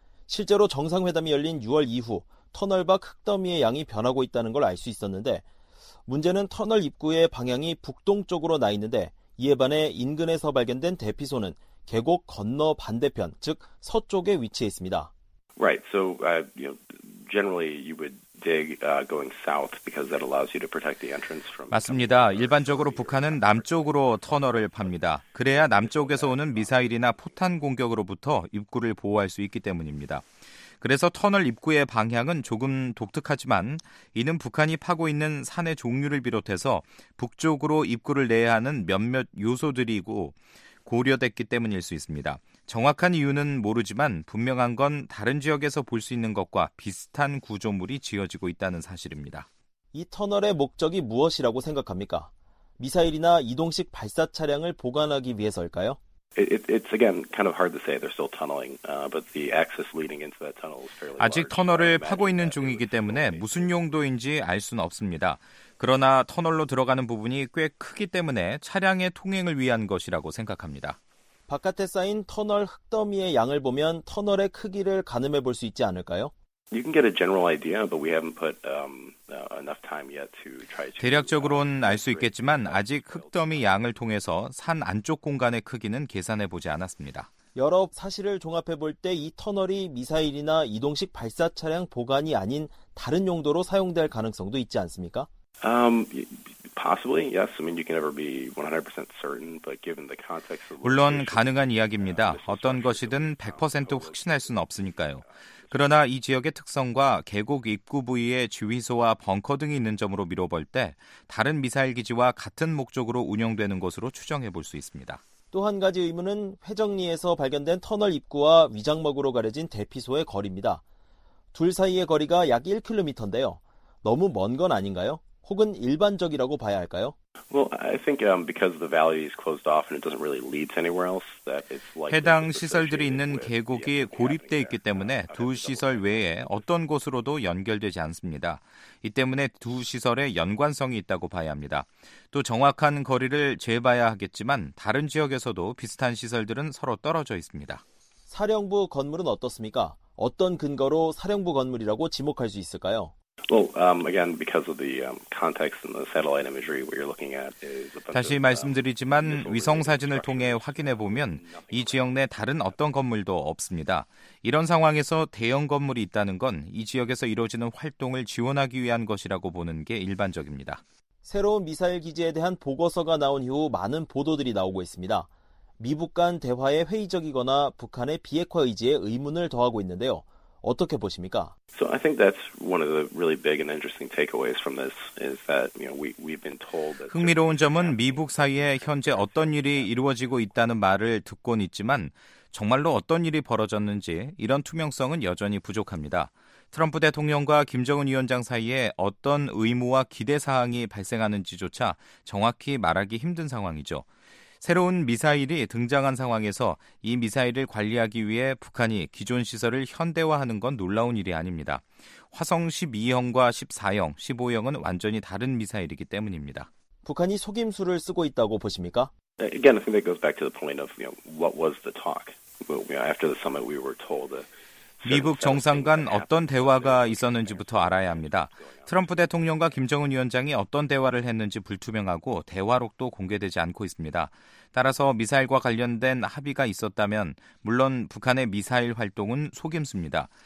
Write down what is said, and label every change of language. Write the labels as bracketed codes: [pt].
[ko] 실제로 정상회담이 열린 6월 이후 터널 밖 흙더미의 양이 변하고 있다는 걸 알 수 있었는데 문제는 터널 입구의 방향이 북동쪽으로 나 있는데 이에 반해 인근에서 발견된 대피소는 계곡 건너 반대편, 즉 서쪽에 위치해 있습니다. [en] Right. So, generally you would dig going south because that allows you to protect the entrance from [ko] 맞습니다. 일반적으로 북한은 남쪽으로 터널을 팝니다. 그래야 남쪽에서 오는 미사일이나 포탄 공격으로부터 입구를 보호할 수 있기 때문입니다. 그래서 터널 입구의 방향은 조금 독특하지만 이는 북한이 파고 있는 산의 종류를 비롯해서 북쪽으로 입구를 내야 하는 몇몇 요소들이고 고려됐기 때문일 수 있습니다. 정확한 이유는 모르지만 분명한 건 다른 지역에서 볼 수 있는 것과 비슷한 구조물이 지어지고 있다는 사실입니다. 이 터널의 목적이 무엇이라고 생각합니까? 미사일이나 이동식 발사 차량을 보관하기 위해서일까요? [en] It's again kind of hard to say. They're still tunneling, but the access leading into that tunnel is fairly. [ko] 아직 터널을 파고 있는 중이기 때문에 무슨 용도인지 알 수는 없습니다. 그러나 터널로 들어가는 부분이 꽤 크기 때문에 차량의 통행을 위한 것이라고 생각합니다. 바깥에 쌓인 터널 흙더미의 양을 보면 터널의 크기를 가늠해 볼 수 있지 않을까요? [en] You can get a general idea, but we haven't put enough time yet to try to. [ko] 대략적으로는 알 수 있겠지만 아직 흙더미 양을 통해서 산 안쪽 공간의 크기는 계산해 보지 않았습니다. 여러 사실을 종합해 볼 때 이 터널이 미사일이나 이동식 발사 차량 보관이 아닌 다른 용도로 사용될 가능성도 있지 않습니까? [en] Possibly, yes. I mean, you can never be 100% certain, but given the context of. [ko] 물론 가능한 이야기입니다. 어떤 것이든 100% 확신할 수는 없으니까요. 그러나 이 지역의 특성과 계곡 입구 부위에 지휘소와 벙커 등이 있는 점으로 미뤄볼 때 다른 미사일 기지와 같은 목적으로 운영되는 것으로 추정해 볼 수 있습니다. 또 한 가지 의문은 회정리에서 발견된 터널 입구와 위장막으로 가려진 대피소의 거리입니다. 둘 사이의 거리가 약 1km인데요. 너무 먼 건 아닌가요? 혹은 일반적이라고 봐야 할까요? [en] Well, I think because the valley is closed off and it doesn't really lead to anywhere else, that it's like [ko] 해당 시설들이 있는 계곡이 고립돼 있기 때문에 두 시설 외에 어떤 곳으로도 연결되지 않습니다. 이 때문에 두 시설의 연관성이 있다고 봐야 합니다. 또 정확한 거리를 재봐야 하겠지만 다른 지역에서도 비슷한 시설들은 서로 떨어져 있습니다. 사령부 건물은 어떻습니까? 어떤 근거로 사령부 건물이라고 지목할 수 있을까요? [en] Well, again, because of the context and the satellite imagery, what you're looking at is. [ko] 다시 말씀드리지만 위성 사진을 통해 확인해 보면 이 지역 내 다른 어떤 건물도 없습니다. 이런 상황에서 대형 건물이 있다는 건 이 지역에서 이루어지는 활동을 지원하기 위한 것이라고 보는 게 일반적입니다. 새로운 미사일 기지에 대한 보고서가 나온 이후 많은 보도들이 나오고 있습니다. 미북 간 대화에 회의적이거나 북한의 비핵화 의지에 의문을 더하고 있는데요. 어떻게 보십니까? [en] So I think that's one of the really big and interesting takeaways from this is that you know we've been told that [ko] 흥미로운 점은 미북 사이에 현재 어떤 일이 이루어지고 있다는 말을 듣곤 있지만 정말로 어떤 일이 벌어졌는지 이런 투명성은 여전히 부족합니다. 트럼프 대통령과 김정은 위원장 사이에 어떤 의무와 기대 사항이 발생하는지조차 정확히 말하기 힘든 상황이죠. 새로운 미사일이 등장한 상황에서 이 미사일을 관리하기 위해 북한이 기존 시설을 현대화하는 건 놀라운 일이 아닙니다. 화성 12형과 14형, 15형은 완전히 다른 미사일이기 때문입니다. 북한이 속임수를 쓰고 있다고 보십니까? [en] Again, I think that goes back to the point of, you know, what was the talk? After the summit, we were told that [ko] 미북 정상 간 어떤 대화가 있었는지부터 알아야 합니다. 트럼프 대통령과 김정은 위원장이 어떤 대화를 했는지 불투명하고 대화록도 공개되지 않고 있습니다. 따라서 미사일과 관련된 합의가 있었다면 물론 북한의 미사일 활동은 속임수입니다.